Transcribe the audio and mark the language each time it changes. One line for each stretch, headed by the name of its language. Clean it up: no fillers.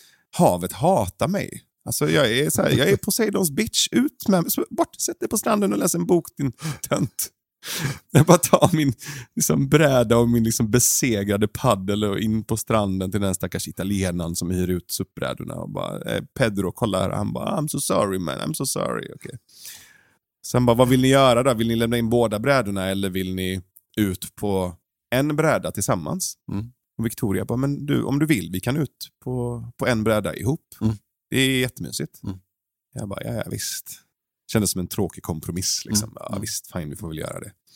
Swedish: Havet hatar mig. Alltså jag är så här, jag är Poseidons bitch, ut med mig. Bort, sätt dig på stranden och läs en bok, din tönt. Jag bara tar min liksom bräda och min liksom besegrade paddel och in på stranden till den stackars italienaren som hyr ut supbrädorna och bara, Pedro, kolla här. Han bara,
English: I'm so sorry man, I'm so sorry. Okay.
Swedish: Sen bara, vad vill ni göra då? Vill ni lämna in båda brädorna eller vill ni ut på en bräda tillsammans? Mm. Och Victoria bara, men du, om du vill, vi kan ut på en bräda ihop. Mm. Det är jättemysigt. Mm. Jag bara, ja visst. Kändes som en tråkig kompromiss. Liksom. Mm. Ja visst, fine, vi får väl göra det.